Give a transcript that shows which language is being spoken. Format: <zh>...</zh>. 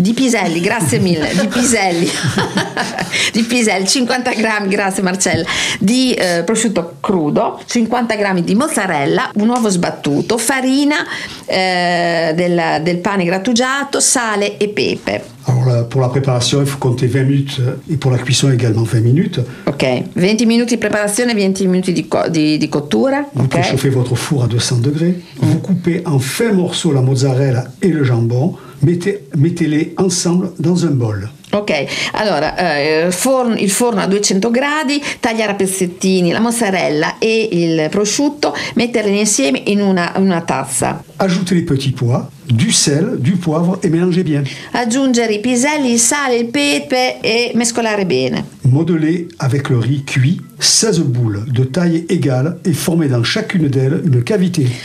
<it>Di piselli, grazie mille, di piselli. Di piselli, 50 g, grazie Marcella, di prosciutto crudo, 50 g di mozzarella, un uovo sbattuto, farina del pane grattugiato, sale e pepe. Allora, per la preparazione</it> <fr>il faut compter</fr> <it>20 minuti e per la</it> <fr>cuisson également</fr> <it>20 minuti. Ok, 20 minuti di preparazione, 20 minuti di cottura.</it> <fr>Vous préchauffez votre four à 200 degrés, vous coupez en fins morceaux la mozzarella et le jambon, mettez-les ensemble dans un bol.</fr> <it>Ok, allora, il forno a 200 gradi, tagliare a pezzettini la mozzarella e il prosciutto, metterli insieme in una tazza.</it> <fr>Ajoutez les petits pois, du sel, du poivre e mélanger bien.</fr> <it>Aggiungere i piselli, il sale, il pepe e mescolare bene.</it> <fr>Modeler avec le riz cuit 16 boules de taille égale e former dans chacune d'elles une cavité.</fr>